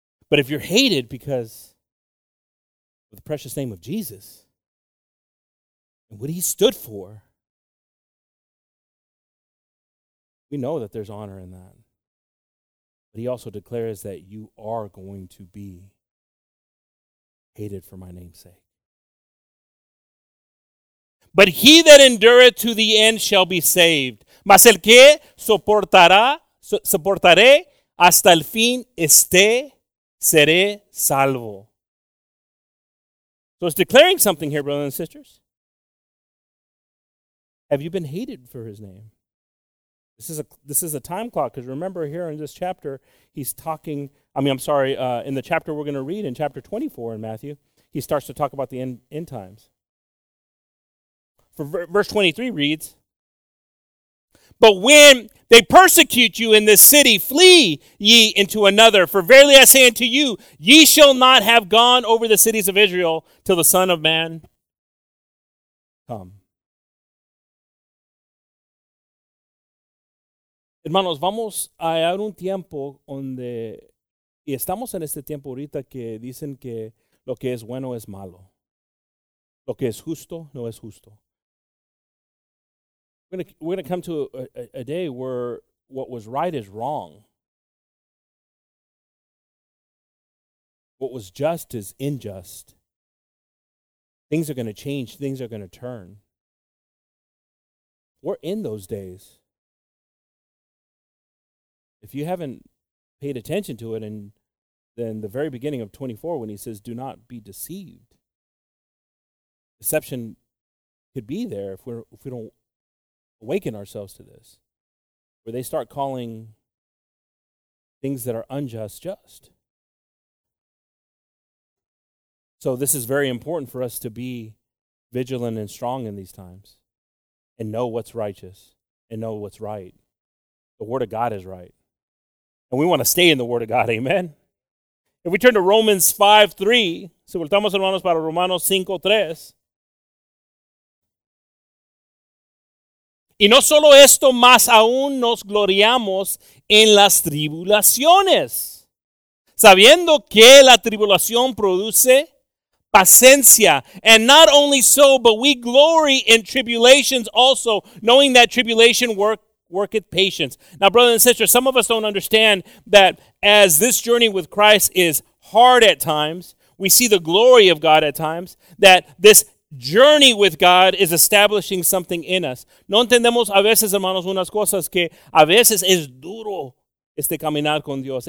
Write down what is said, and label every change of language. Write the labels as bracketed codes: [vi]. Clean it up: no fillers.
[en] But if you're hated because of the precious name of Jesus and what he stood for, we know that there's honor in that. But he also declares that you are going to be hated for my name's sake. But he that endureth to the end shall be saved. [es] Mas el que soportaré hasta el fin esté, seré salvo. [en] So it's declaring something here, brothers and sisters. Have you been hated for his name? This is a time clock, because remember here in this chapter, in the chapter we're going to read, in chapter 24 in Matthew, he starts to talk about the end times. For verse 23 reads, but when they persecute you in this city, flee ye into another. For verily I say unto you, ye shall not have gone over the cities of Israel till the Son of Man come. [es] Hermanos, vamos a haber un tiempo donde, y estamos en este tiempo ahorita que dicen que lo que es bueno es malo. Lo que es justo, no es justo. [en] We're going to come to a day where what was right is wrong. What was just is unjust. Things are going to change. Things are going to turn. We're in those days. If you haven't paid attention to it, and then the very beginning of 24 when he says, do not be deceived. Deception could be there if we don't awaken ourselves to this, where they start calling things that are unjust, just. So this is very important for us to be vigilant and strong in these times and know what's righteous and know what's right. The Word of God is right. And we want to stay in the Word of God, amen? If we turn to Romans 5:3, [es] si voltamos hermanos para Romanos 5:3, y no solo esto, más aún nos gloriamos en las tribulaciones, sabiendo que la tribulación produce paciencia. [en] And not only so, but we glory in tribulations also, knowing that tribulation worketh patience. Now, brothers and sisters, some of us don't understand that as this journey with Christ is hard at times, we see the glory of God at times, that this journey with God is establishing something in us. [es] No entendemos a veces, hermanos, unas cosas que a veces es duro este caminar con Dios.